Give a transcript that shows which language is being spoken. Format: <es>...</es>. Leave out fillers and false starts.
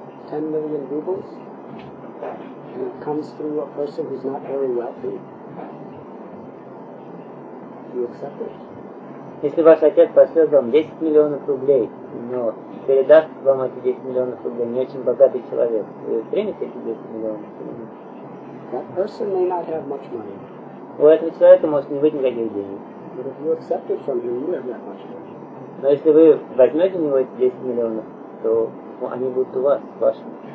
<en>$10 million, and it comes through a person who's not very wealthy, do you accept it?</en> <ru>Если ваш отец пошлет вам 10 миллионов рублей, но передаст вам эти 10 миллионов рублей не очень богатый человек, вы примете эти 10 миллионов рублей?</ru> <en>That person may not have much money.</en> <ru>У этого человека может не быть никаких денег.</ru> <en>But if you accept it from him, you have that much money.</en> <ru>Но если вы возьмете у него эти 10 миллионов, то они будут у вас, вашими.</ru>